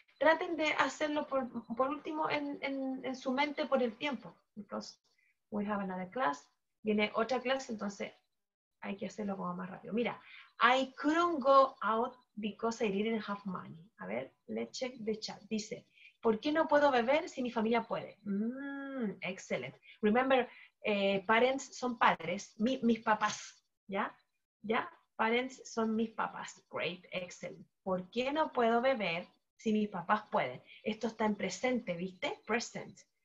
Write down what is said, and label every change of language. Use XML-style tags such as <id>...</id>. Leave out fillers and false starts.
<es>Traten de hacerlo por último en su mente por el tiempo.</es> <en>Because we have another class.</en> <es>Viene otra clase, entonces hay que hacerlo como más rápido.</es> <en>Mira, I couldn't go out because I didn't have money.</en> <es>A ver,</es> <en>let's check the chat.</en> <es>Dice, ¿por qué no puedo beber si mi familia puede?</es> <en>Excellent. Remember,</en> <es>parents son padres, mis papás, ¿ya? ¿Ya? Parents son mis papás.</es> <en>Great, excellent.</en> <es>¿Por qué no puedo beber si mis papás pueden? Esto está en presente, ¿viste? Present.</es>